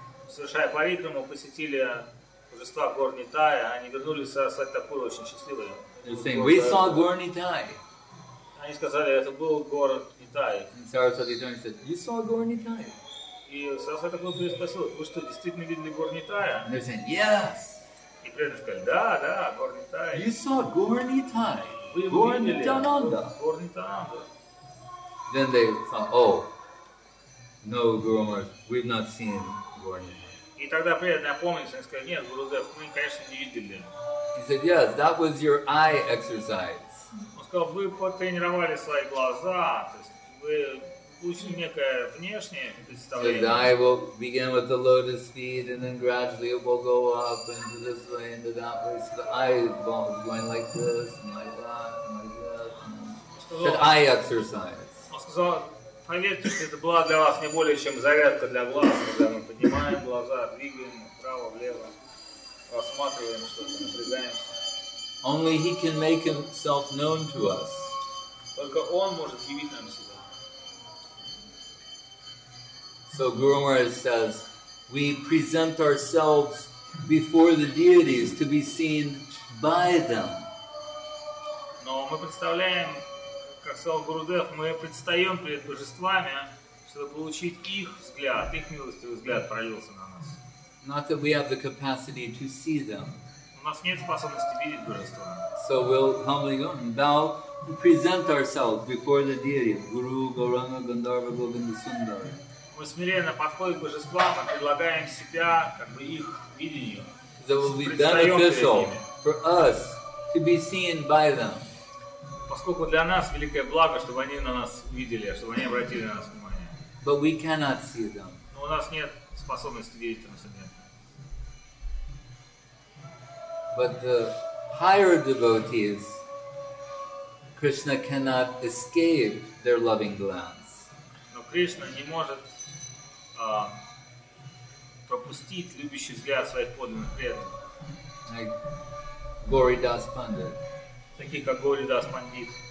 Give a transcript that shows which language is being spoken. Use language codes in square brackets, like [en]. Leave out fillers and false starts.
[ru] Совершая паритраму, посетили божества Гор Нитая, они вернулись со Сарасвати Такура очень счастливыми. [en] We saw Gaur Nithai. [ru] Они сказали, это был Гор Нитай. [en] And Saraswati Thakura said, you saw Gaur Nithai. [ru] И Сарасвати Такура переспросил, вы что, действительно видели Гор Нитая? [en] And they said, yes. [ru] И преданные сказали, да, да, Гор Нитай. [en] You saw Gaur Nithai. [ru] Вы Gaur Nithyananda. [en] Gaur Nithyananda. Then they thought, oh, no, Guru Maharaj, we've not seen [ru] И тогда преданные опомнились, они сказали, нет, Гурудев, мы, конечно, не видели. [en] He said, yes, that was your eye exercise. [ru] Он сказал, вы потренировали свои глаза, то есть вы получили некое внешнее представление. [en] So the eye will begin with the lotus feet, and then gradually it will go up into this way, into that way. So the eye is going like this, and like that, and like that. It's an eye exercise. [ru] Он сказал, поверьте, что это была для вас не более чем зарядка для глаз, когда мы поднимаем глаза, двигаем вправо, влево, рассматриваем что-то, напрягаемся. [en] Only he can make himself known to us. [ru] Только он может явить нам себя. [en] So Guru Maharaj says, we present ourselves before the deities to be seen by them. [ru] Но мы представляем Как сказал Гурудев, мы предстаем перед божествами, чтобы получить их взгляд, их милостивый взгляд пролился на нас. [en] Not that we have the capacity to see them. [ru] У нас нет способности видеть божества. [en] So we'll humbly go and bow to present ourselves before the deity, Guru, Gauranga, Gandharva, Govinda, Sundara. [ru] Мы смиренно подходим к божествам и предлагаем себя, как бы их видению. [en] That will be beneficial for us to be seen by them. [ru] Поскольку для нас великое благо, чтобы они на нас видели, чтобы они обратили на нас внимание. [en] But we cannot see them. [ru] Но у нас нет способности видеть на себе. [en] But the higher devotees, Krishna cannot escape their loving glance. [ru] Но Кришна не может пропустить любящий взгляд своих подлинных преданных. [en] Like Gauri Das Pandit. [ru] Такие как Гуридас Пандит,